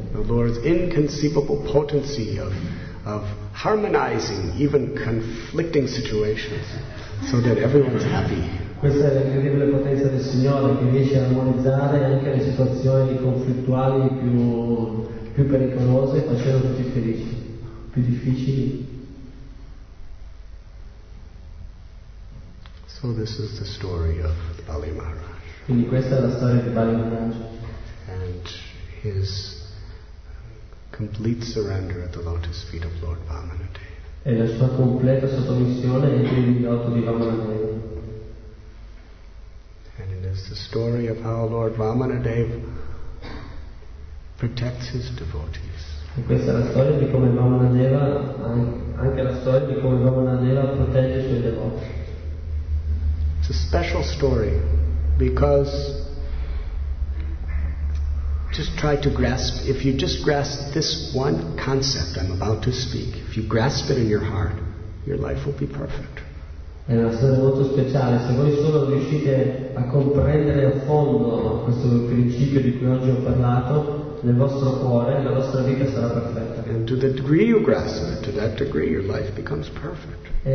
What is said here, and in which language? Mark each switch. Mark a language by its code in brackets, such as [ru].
[en] The Lord's inconceivable potency of harmonizing even conflicting situations so that everyone's happy. [it] Questa è l'incredibile potenza del Signore che riesce a armonizzare anche le situazioni conflittuali più pericolose facendo tutti felici, più difficili. [en] So this is the story of Bali Maharaj. [it] Quindi questa è la storia di Bali Maharaj. [en] And his complete surrender at the lotus feet of Lord Vamanadeva. [it] E la sua completa sottomissione ai piedi di loto di Vamanadeva. [en] And it is the story of how Lord Vamanadeva protects his devotees. [it] E questa è la storia di come Vamanadeva, anche la storia di come Vamanadeva protegge i suoi devoti. [en] It's a special story because just try to grasp, if you just grasp this one concept I'm about to speak, if you grasp it in your heart, your life will be perfect. [it] È una storia molto speciale. Se voi solo riuscite a comprendere a fondo questo principio di cui oggi ho parlato, nel vostro cuore la vostra vita sarà perfetta. [en] And to the degree you grasp it, to that degree your life becomes perfect.